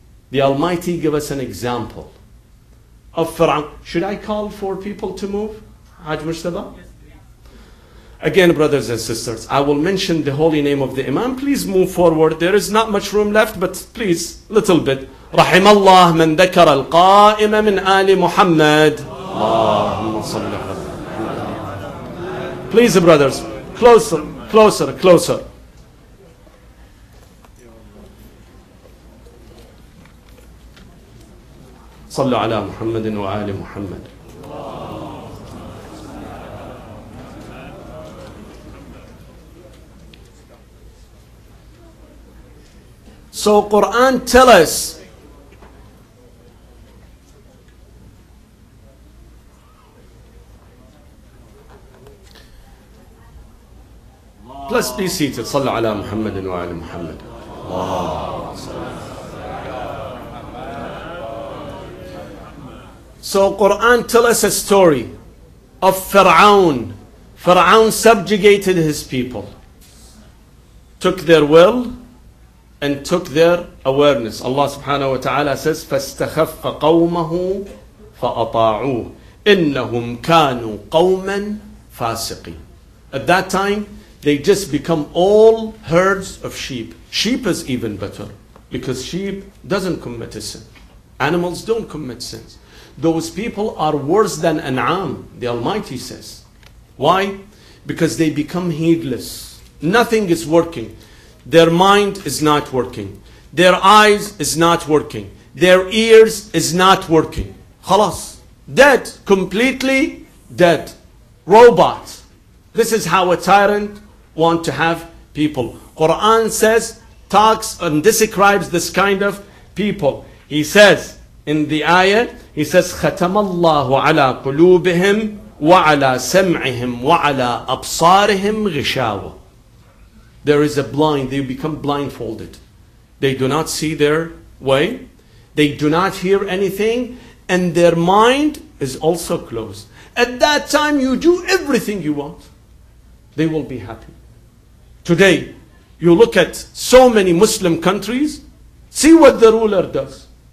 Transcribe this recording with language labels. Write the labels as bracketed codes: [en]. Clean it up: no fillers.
[en] The Almighty give us an example of Fir'aun. Should I call for people to move? Hajj Mujtaba? Again, brothers and sisters, I will mention the holy name of the Imam. Please move forward. There is not much room left, but please, little bit. [ar] رحم الله من ذكر القائم من آل محمد. اللهم صل على محمد. [en] Please, brothers, closer, closer, closer. [ar] صلوا على محمد وآل محمد. [en] So Quran tell us plus be seated. [ar] Salla ala Muhammad wa ala Muhammad. [en] So Quran tell us a story of Fir'aun. Fir'aun subjugated his people, took their will and took their awareness. [ar] Allah subhanahu wa ta'ala says, فَاسْتَخَفَّ قَوْمَهُ فَأَطَاعُوهُ إِنَّهُمْ كَانُوا قَوْمًا فَاسِقِينَ. [en] At that time, they just become all herds of sheep. Sheep is even better, because sheep doesn't commit a sin. Animals don't commit sins. Those people are worse than an'am, the Almighty says. Why? Because they become heedless. Nothing is working. Their mind is not working. Their eyes is not working. Their ears is not working. Khalas. Dead. Completely dead. Robot. This is how a tyrant wants to have people. Quran says, talks and describes this kind of people. He says in the ayah, he says, [ar] خَتَمَ اللَّهُ عَلَىٰ قُلُوبِهِمْ وَعَلَىٰ سَمْعِهِمْ وَعَلَىٰ أَبْصَارِهِمْ غِشَاوَةٌ. [en] There is a blind, they become blindfolded. They do not see their way. They do not hear anything. and their mind is also closed. At that time, you do everything you want. They will be happy. Today, you look at so many Muslim countries, see what the ruler does.